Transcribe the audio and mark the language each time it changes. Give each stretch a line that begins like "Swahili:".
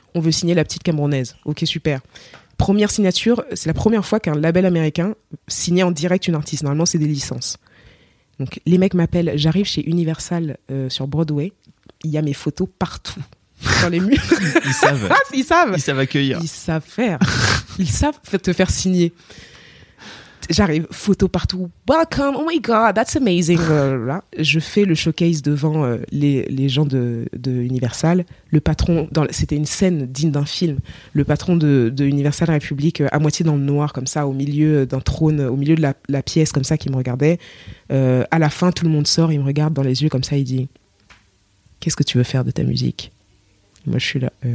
French: On veut signer La Petite Camerounaise. Ok, super. Première signature, c'est la première fois qu'un label américain signait en direct une artiste. Normalement, c'est des licences. Donc, les mecs m'appellent. J'arrive chez Universal sur Broadway. Il y a mes photos partout. Dans les murs. Ils savent. Ils savent. Ils savent accueillir. Ils savent faire. Ils savent te faire signer. J'arrive, photos partout.
English: Welcome, oh my god, that's amazing.
French: Je fais le showcase devant les gens de Universal. Le patron, c'était une scène digne d'un film. Le patron de Universal Republic, à moitié dans le noir, comme ça, au milieu d'un trône, au milieu de la pièce, comme ça, qui me regardait. À la fin, tout le monde sort, il me regarde dans les yeux, comme ça, il dit : Qu'est-ce que tu veux faire de ta musique ? Moi, je suis là.